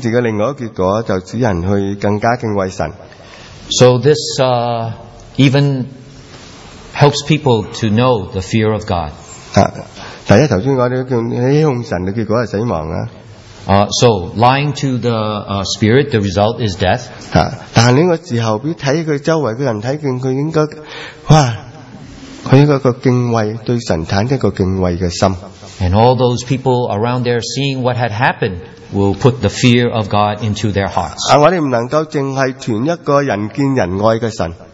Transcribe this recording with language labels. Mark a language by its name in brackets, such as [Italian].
[Chinese] 这个件事的另外一个结果就使人去更加敬畏神。 [English] So this even helps people to know the fear of God. [Chinese] 第一，刚才说的欺哄神的结果是死亡。 [English] So lying to the spirit, the result is death. [Chinese] 但这个时候，看他周围的人，看见他应该，哇，他一个敬畏，对神产一个敬畏的心。 [English] And all those people around there seeing what had happened will put the fear of God into their hearts. [Chinese] 我们不能够只是传一个人见人爱的神。